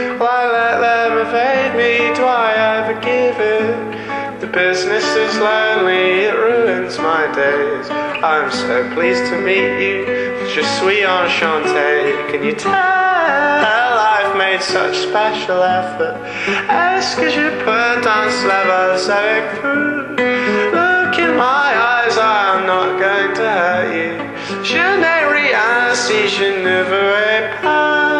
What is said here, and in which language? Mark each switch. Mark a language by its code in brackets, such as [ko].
[en] Will I let them evade me? Do I ever give in? The business is lonely, it ruins my days. I'm so pleased to meet you, [fr] je suis enchanté. [en] Can you tell I've made such special effort? [fr] Est-ce que je peux danser la valse avec vous? [en] Look in my eyes, I am not going to hurt you. [fr] Je n'ai rien si je ne verrai pas.